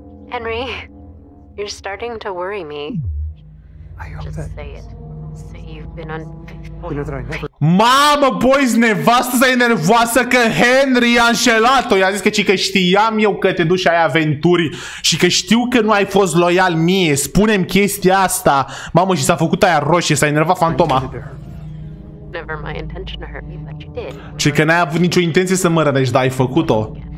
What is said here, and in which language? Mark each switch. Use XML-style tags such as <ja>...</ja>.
<en>Henry, you're starting to worry me. I hope just that. Say it. Say you've been unfaithful. You know that I never.</en> <ro>Mamă, boys, nevastă-sa e nervoasă că Henry a înșelat-o. I-a zis că, ci că știam eu că te duci ai aventuri și că știu că nu ai fost loial mie. Spune-mi chestia asta. Mamă, și s-a făcut aia roșie, s-a enervat fantoma.</ro> <en>Never my intention to hurt me, but you did.</en> <ro>Ci că n-ai avut nicio intenție să mă rănești, dar ai făcut-o.</ro>